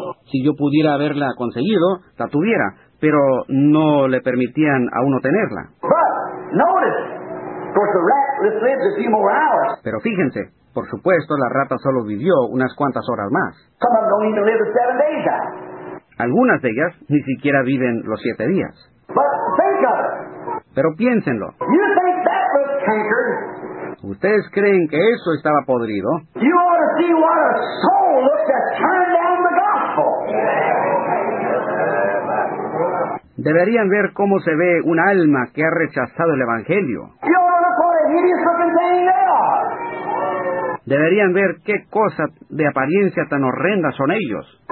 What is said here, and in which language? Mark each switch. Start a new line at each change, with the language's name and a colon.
Spanish: Si yo pudiera haberla conseguido, la tuviera, pero no le permitían a uno tenerla.
English: But, notice, of course the rat lives a few more hours.
Spanish: Pero fíjense. Por supuesto, la rata solo vivió unas cuantas horas más.
English: Some of them don't even live 7 days.
Spanish: Algunas de ellas ni siquiera viven los 7 días.
English: But think of it.
Spanish: Pero piénsenlo.
English: You think that was cancer?
Spanish: ¿Ustedes creen que eso estaba podrido?
English: You ought to see what a soul looks that turned down the gospel.
Spanish: Deberían ver cómo se ve un alma que ha rechazado el Evangelio.
English: You ought to look what a hideous looking thing they are.
Spanish: Deberían ver qué cosa de apariencia tan horrenda son ellos.